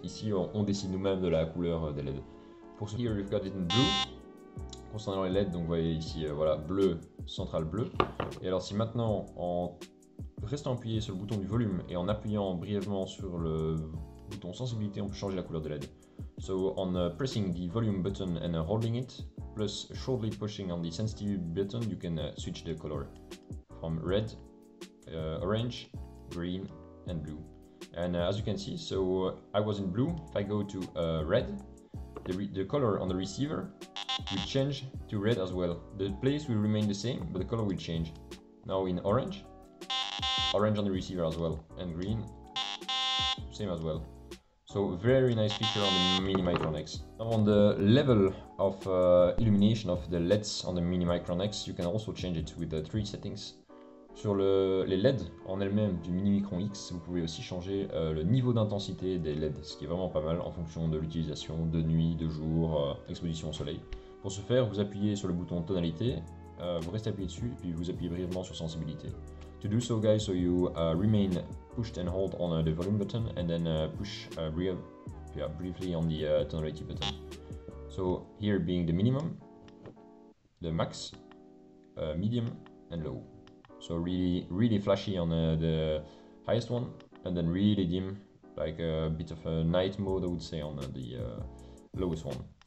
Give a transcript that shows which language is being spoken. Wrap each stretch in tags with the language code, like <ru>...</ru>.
<fr>Ici, on décide nous-mêmes de la couleur des LED. Pour ce qui est,</fr> <en>we've got it in blue.</en> <fr>Concernant les LED, donc vous voyez ici, voilà, bleu, central bleu. Et alors si maintenant, en restant appuyé sur le bouton du volume et en appuyant brièvement sur le bouton sensibilité, on peut changer la couleur des LED.</fr> <en>So, on pressing the volume button and holding it, plus shortly pushing on the sensitivity button, you can switch the color from red, orange, green, and blue. And as you can see, so I was in blue. If I go to red, the color on the receiver will change to red as well. The place will remain the same, but the color will change. Now in orange, orange on the receiver as well, and green, same as well. So very nice feature on the Mini Micron X. Now on the level of illumination of the LEDs on the Mini Micron X, you can also change it with the 3 settings.</en> <fr>Sur les LED en elles-mêmes du Mini Micron X, vous pouvez aussi changer le niveau d'intensité des LED, ce qui est vraiment pas mal en fonction de l'utilisation, de nuit, de jour, exposition au soleil. Pour ce faire, vous appuyez sur le bouton tonalité, vous restez appuyé dessus, puis vous appuyez brièvement sur sensibilité.</fr> <en>To do so, guys, so you remain pushed and hold on the volume button, and then push briefly on the tonality button. So here being the minimum, the max, medium, and low. So really, really flashy on the highest one, and then really dim, like a bit of a night mode, I would say, on the lowest one.</en>